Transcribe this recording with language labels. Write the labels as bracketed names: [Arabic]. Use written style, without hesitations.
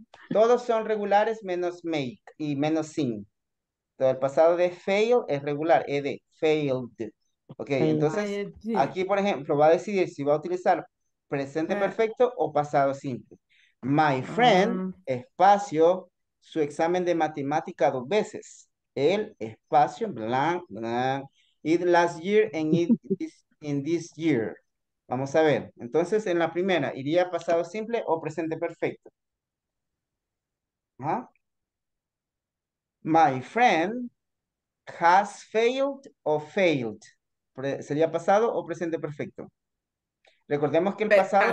[Spanish] Todos son regulares menos make y menos sin. Entonces, el pasado de fail es regular, ed, failed. Ok, entonces aquí, por ejemplo, va a decidir si va a utilizar presente perfecto o pasado simple. [English] My friend, [Spanish] espacio, su examen de matemática dos veces. El espacio, blank, blank. [English] It last year and it is in this year. [Spanish] Vamos a ver. Entonces, en la primera, ¿iría pasado simple o presente perfecto? [English] ¿Ah? My friend has failed or failed. [Spanish] ¿Sería pasado o presente perfecto? Recordemos que el pasado,